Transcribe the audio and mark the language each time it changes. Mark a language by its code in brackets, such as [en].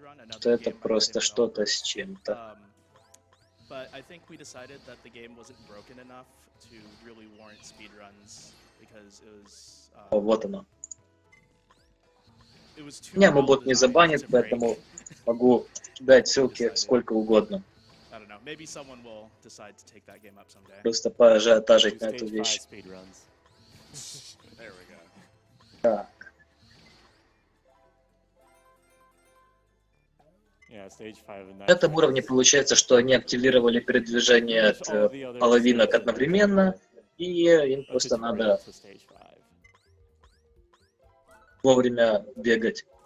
[ru] Что это просто что-то с чем-то. [en] But I think we decided that the game wasn't broken enough to really warrant speedruns because it was. [ru] О, вот оно. Меня мобот не забанит, поэтому могу дать ссылки сколько угодно. [en] I don't know. Maybe someone will decide to take that game up someday. [ru] Просто поажиотажить на эту вещь. [en] There we go. [ru] Так. На этом уровне получается, что они активировали передвижение от половинок одновременно, и им просто надо вовремя бегать.